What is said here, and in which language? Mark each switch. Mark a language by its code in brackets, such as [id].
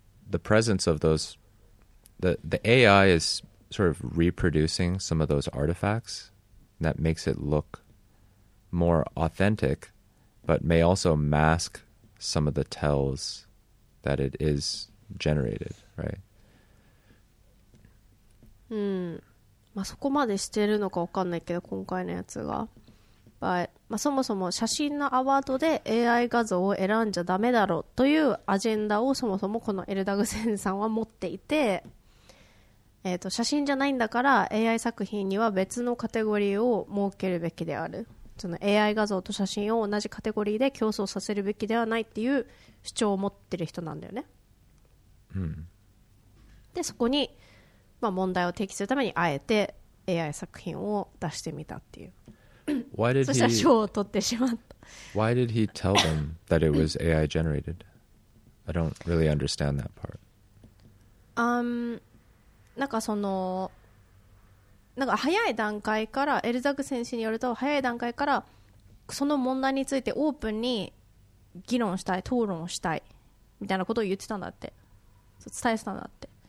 [en] the presence of those the AI isSort of reproducing some of those artifacts that makes it look more authentic, but may also mask some of the tells that it is generated, right? [ja] まあそこまでしてるのかわかんないけど今回のやつが、 [en] but [ja] まあそもそも写真のアワードで AI 画像を選んじゃダメだろうというアジェンダをそもそもこのエルダグセンさんは持っていて。写真じゃないんだから AI 作品には別のカテゴリーを設けるべきである、その AI 画像と写真を同じカテゴリーで競争させるべきではないっていう主張を持ってる人なんだよね、うん、でそこに、まあ、問題を提起するためにあえて AI 作品を出してみたっていう。 [en] Why did [ja] そしたら賞を取ってしまった。 [en] Why did he tell them that it was AI generated? I don't really understand that part. [ja] なんかそのなんか早い段階からエルザグ選手によると早い段階からその問題についてオープンに議論したい討論したいみたいなことを言ってたんだってそう伝えてたんだって、